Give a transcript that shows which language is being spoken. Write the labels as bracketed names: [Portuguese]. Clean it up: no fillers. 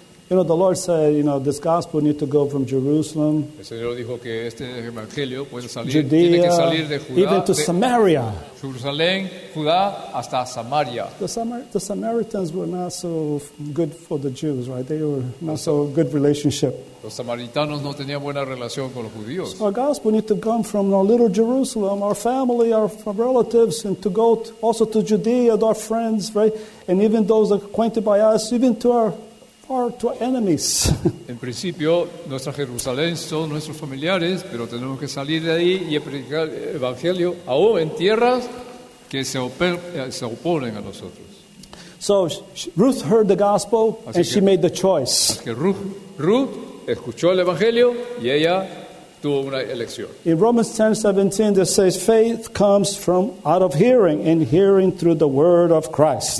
[English] You know, the Lord said, you know, this gospel needs to go from Jerusalem. [Spanish] El Señor dijo que este evangelio puede salir, [English] Judea, [Spanish] tiene que salir de Judá, [English] even to Samaria. [Spanish] Jerusalén, Judá, hasta Samaria. [English] The Samaritans were not so good for the Jews, right? They were not so good relationship. [Spanish] Los samaritanos no tenían buena relación con los judíos. [English] So our gospel needs to come from our little Jerusalem, our family, our relatives, and to go also to Judea, to our friends, right? And even those acquainted by us, even to our or to enemies. [Spanish] En principio, nuestra Jerusalén son nuestros familiares, pero tenemos que salir de ahí y predicar el evangelio aún en tierras que se oponen a nosotros. [English] So Ruth heard the gospel and she made the choice. [Spanish] Así que Ruth escuchó el evangelio y ella tuvo una elección. [English] In Romans 10:17, it says faith comes from out of hearing, and hearing through the word of Christ.